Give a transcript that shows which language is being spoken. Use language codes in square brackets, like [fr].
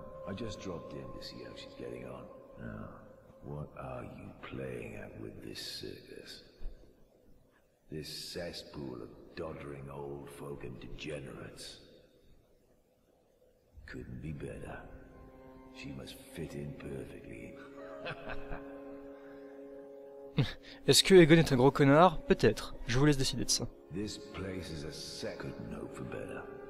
[en] I just dropped in to see how she's getting on. Now, what are you playing at with this circus? This cesspool of doddering old folk and degenerates. Couldn't be better. She must fit in perfectly. [fr] Est-ce que Aegon est un gros connard? Peut-être. Je vous laisse décider de ça. [en] This place is a second note for Bella.